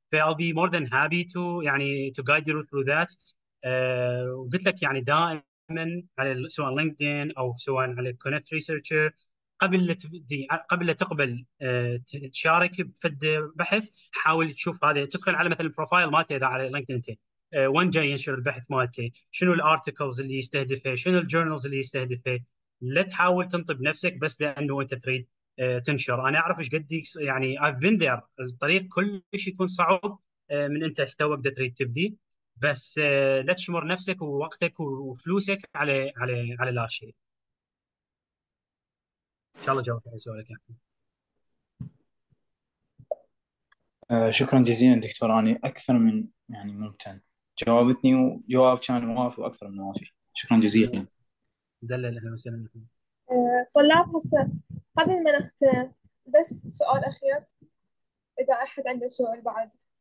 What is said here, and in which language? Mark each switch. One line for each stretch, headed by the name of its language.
English: ف I'll be more than happy to يعني to guide you through that.
Arabic: وقلت لك يعني دائما على سواء لينكدين او سواء على كونكت ريسيرشر، قبل لا تقبل تشارك في البحث حاول تشوف هذا، تدخل على مثلا البروفايل مالته اذا على لينكدين انت، وين جاي ينشر البحث مالته، شنو الارتكلز اللي يستهدفه، شنو الجورنالز اللي يستهدفه. لا تحاول تنطب نفسك بس لانه انت تريد تنشر. انا اعرف ايش قد يعني
English: I've been there،
Arabic: الطريق كلش يكون صعب من انت استوى قد تريد تبدي، بس لا تشمر نفسك ووقتك وفلوسك على على على لا شيء. ان شاء الله جاوبت على سؤالك يعني. شكرا جزيلا دكتور أنا أكثر من يعني ممتن جاوبتني وجواب كان موافق أكثر من موافق شكرا جزيلا دلل اهلا وسهلا بكم. طلاب هسه قبل ما نختم بس سؤال اخير، اذا احد عنده سؤال بعد.